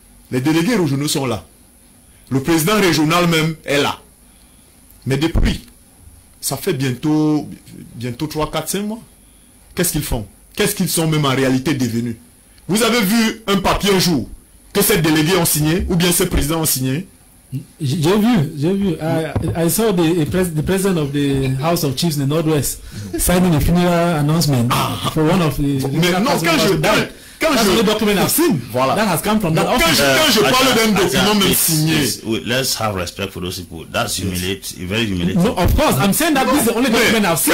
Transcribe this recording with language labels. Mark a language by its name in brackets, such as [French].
[French] Les délégués régionaux sont là. Le président régional même est là. Mais depuis, ça fait bientôt 3, 4, 5 mois. Qu'est-ce qu'ils font? Qu'est-ce qu'ils sont même en réalité devenus? Vous avez vu un papier un jour que ces délégués ont signé ou bien ces présidents ont signé? J'ai vu. [English] I saw the president of the House of Chiefs in the Northwest signing a funeral announcement for one of the. [French] Mais non, quand je parle d'un document signé. [English] Let's have respect for those people. That's humiliating. Very humiliating. No, of course, I'm saying that this is the only document I've seen.